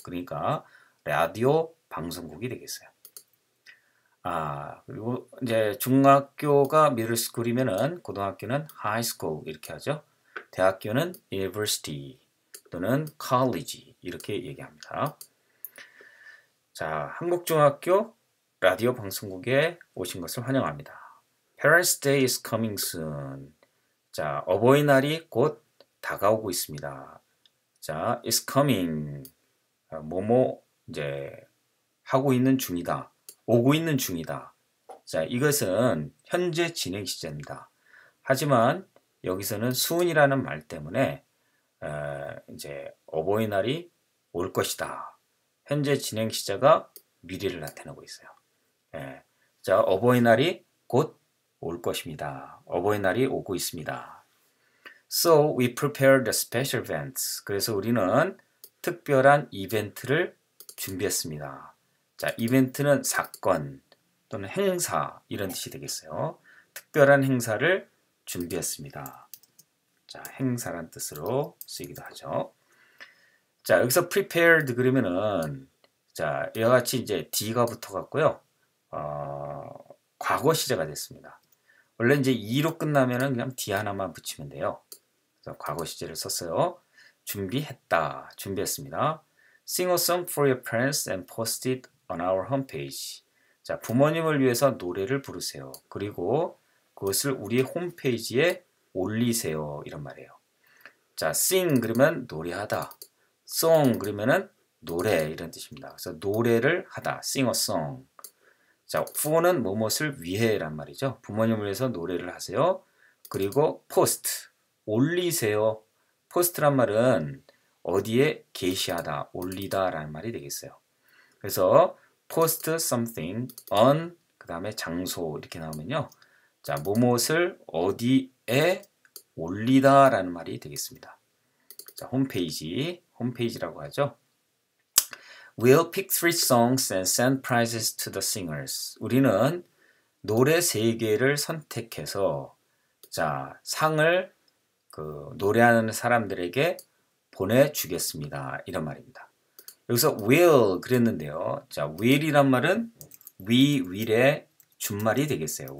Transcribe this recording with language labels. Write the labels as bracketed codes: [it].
[ko] 그러니까 라디오 방송국이 되겠어요. 아, 그리고 이제 중학교가 middle school이면은 고등학교는 high school 이렇게 하죠. 대학교는 university 또는 college 이렇게 얘기합니다. 자, 한국중학교 라디오 방송국에 오신 것을 환영합니다. [en] Parents' Day is coming soon. [ko] 자, 어버이날이 곧 다가오고 있습니다. 자, is coming. 뭐뭐 이제 하고 있는 중이다. 오고 있는 중이다. 자, 이것은 현재 진행 시제입니다. 하지만 여기서는 soon이라는 말 때문에 이제 어버이날이 올 것이다. 현재 진행 시제가 미래를 나타내고 있어요. 예. 자, 어버이날이 곧올 것입니다. 어버이날이 오고 있습니다. [en] So we prepared a special event. [ko] 그래서 우리는 특별한 이벤트를 준비했습니다. 자, 이벤트는 사건 또는 행사 이런 뜻이 되겠어요. 특별한 행사를 준비했습니다. 자, 행사란 뜻으로 쓰이기도 하죠. 자, 여기서 prepared 그러면은, 자, 이와 같이 이제 D가 붙어갔고요. 과거 시제가 됐습니다. 원래 이제 E로 끝나면은 그냥 D 하나만 붙이면 돼요. 그래서 과거 시제를 썼어요. 준비했다. 준비했습니다. [en] Sing a song for your parents and post it on our homepage. [ko] 자, 부모님을 위해서 노래를 부르세요. 그리고 그것을 우리 홈페이지에 올리세요. 이런 말이에요. 자, sing 그러면 노래하다. song 그러면은 노래 이런 뜻입니다. 그래서 노래를 하다. [en] sing a song. [ko] 자, for는 무엇을 위해란 말이죠. 부모님을 위해서 노래를 하세요. 그리고 post 올리세요. post란 말은 어디에 게시하다, 올리다라는 말이 되겠어요. 그래서 [en] post something on [ko] 그다음에 장소 이렇게 나오면요. 자, 무엇을 어디에 올리다라는 말이 되겠습니다. 자, 홈페이지, 홈페이지라고 하죠. [en] We'll pick three songs and send prizes to the singers. [ko] 우리는 노래 세 개를 선택해서 자, 상을 노래하는 사람들에게 보내주겠습니다. 이런 말입니다. 여기서 will 그랬는데요. 자, will이란 말은 we will의 준말이 되겠어요.